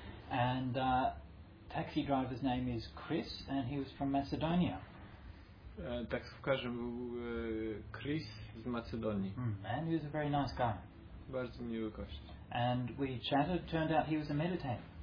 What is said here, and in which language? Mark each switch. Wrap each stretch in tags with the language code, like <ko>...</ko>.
<en>And taxi driver's name is Chris and he was from Macedonia.</en> <pl>Taksówkarzem był Chris z Macedonii.</pl> <en>And he was a very nice guy.</en> <pl>Bardzo miły gość.</pl> <en>And we chatted, turned out he was a meditator.</en>